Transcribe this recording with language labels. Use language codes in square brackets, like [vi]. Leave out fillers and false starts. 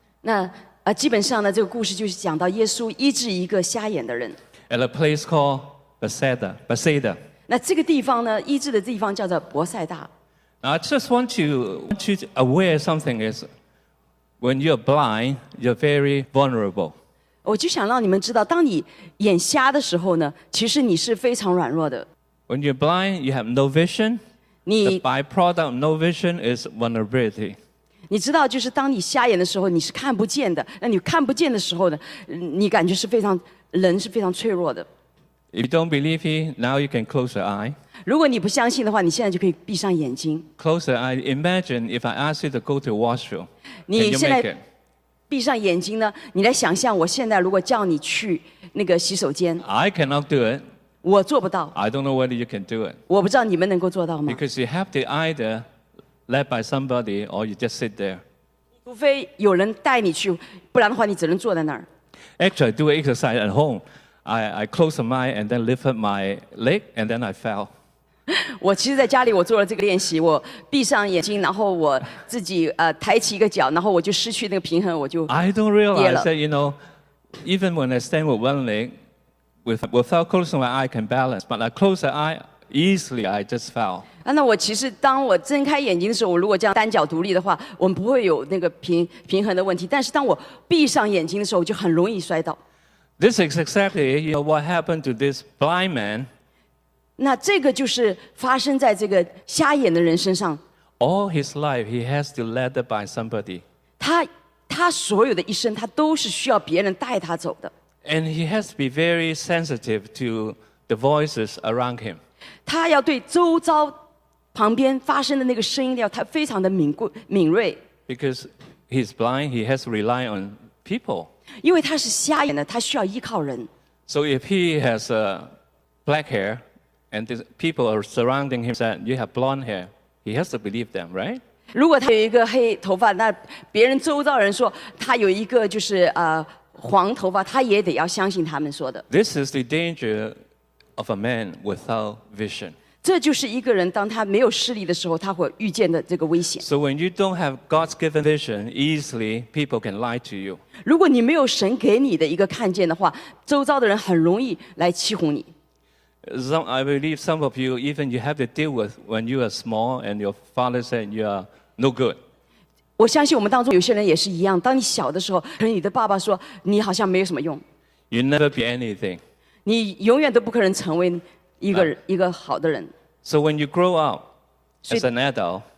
[zh] 那基本上呢，这个故事就是讲到耶稣医治一个瞎眼的人。 [en] At a place called Bethsaida. Bethsaida. [zh] 那这个地方呢，医治的地方叫做伯赛大。 [en] Now, I just want you to aware something is, when you're blind, you're very vulnerable. [zh] 我就想让你们知道，当你眼瞎的时候呢，其实你是非常软弱的。 [en] When you're blind, you have no vision. The byproduct of no vision is vulnerability. [zh] 你知道，就是当你瞎眼的时候，你是看不见的。那你看不见的时候呢，你感觉是非常脆弱的。 [en] If you don't believe me, now you can close your eye. [zh] 如果你不相信的话，你现在就可以闭上眼睛。 [en] Close your eye. Imagine if I ask you to go to the washroom. Can you make it? [zh] 闭上眼睛呢，你来想象我现在如果叫你去那个洗手间。 [en] I cannot do it. [zh] 我做不到。 [en] I don't know whether you can do it. [zh] 我不知道你们能够做到吗 [en] ？Because you have to either led by somebody or you just sit there. [zh] 除非有人带你去，不然的话你只能坐在那儿。 [en] Actually, I do exercise at home. I close my eye and then lift up my leg and then I fell. [zh] 我其实在家里我做了这个练习，我闭上眼睛，然后我自己抬起一个脚，然后我就失去那个平衡，我就跌了。 [en] I don't realize that, you know, even when I stand with one leg, without closing my eye, I can balance. But I close the eye easily, I just fell. [zh] 那我其实当我睁开眼睛的时候，我如果这样单脚独立的话，我们不会有那个平衡的问题。但是当我闭上眼睛的时候，我就很容易摔倒。 [en] This is exactly, you know, what happened to this blind man. [zh] 那这个就是发生在这个瞎眼的人身上。 [en] All his life, he has to led by somebody. [zh] 他所有的一生，他都是需要别人带他走的。 [en] And he has to be very sensitive to the voices around him. [zh] 他要对周遭旁边发生的那个声音调，他非常的敏锐。 [en] Because he's blind, he has to rely on people. [zh] 因为他是瞎眼的，他需要依靠人。 [en] So if he has black hair, and the people are surrounding him said, "You have blonde hair," he has to believe them, right? [zh] 如果他有一个黑头发，那别人周遭人说他有一个就是黄头发，他也得要相信他们说的。 [en] This is the danger of a man without vision. [zh] 这就是一个人当他没有视力的时候，他会遇见的这个危险。 [en] So when you don't have God's given vision, easily people can lie to you. [zh] 如果你没有神给你的一个看见的话，周遭的人很容易来欺哄你。 [en] I believe some of you, even you have to deal with when you are small and your father said you are no good. [zh] 我相信我们当中有些人也是一样，当你小的时候，可能你的爸爸说你好像没有什么用。 [en] You never be anything. [zh] 你永远都不可能成为一个好的人。 [en] So when you grow up as an adult,